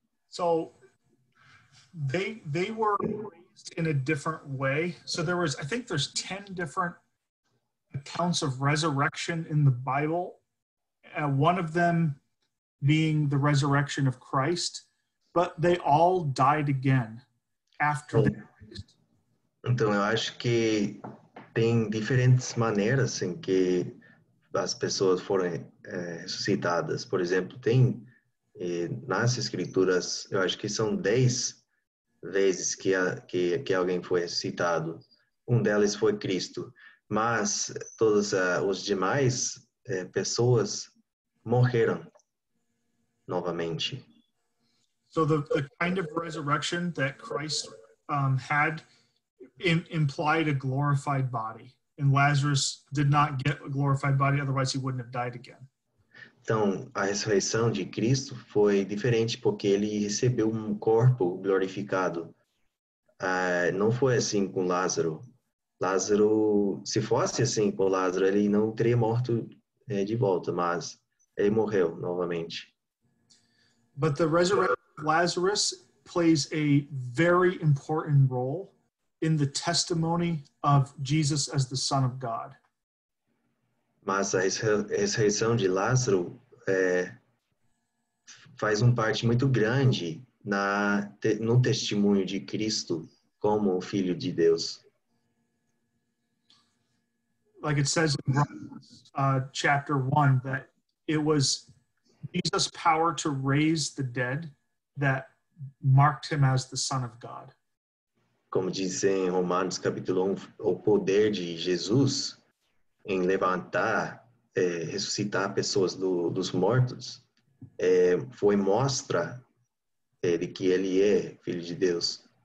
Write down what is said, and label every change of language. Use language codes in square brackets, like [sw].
[en] So they were raised in a different way. So there was, I think there's 10 different accounts of resurrection in the Bible. One of them being the resurrection of Christ, but they all died again after they were raised. [pt] Então eu acho que tem diferentes maneiras em que as pessoas foram ressuscitadas. Por exemplo, tem nas escrituras, eu acho que são 10 vezes que alguém foi ressuscitado. Um delas foi Cristo, mas todas os demais pessoas morreram novamente. [en] So the kind of resurrection that Christ had implied a glorified body. And Lazarus did not get a glorified body, otherwise he wouldn't have died again. [pt] Então, a ressurreição de Cristo foi diferente porque ele recebeu um corpo glorificado. Não foi assim com Lázaro. Lázaro, se fosse assim com Lázaro, ele não teria morto de volta, mas ele morreu novamente. [en] But the resurrection of Lazarus plays a very important role in the testimony of Jesus as the Son of God. [pt] Mas a ressurreição de Lázaro faz um parte muito grande no testemunho de Cristo como o Filho de Deus. [en] Like it says in Romans chapter 1, that it was Jesus' power to raise the dead that marked him as the Son of God. [pt] Como diz em Romanos capítulo 1, o poder de Jesus em levantar, ressuscitar pessoas dos mortos, foi mostra de que ele é Filho de Deus.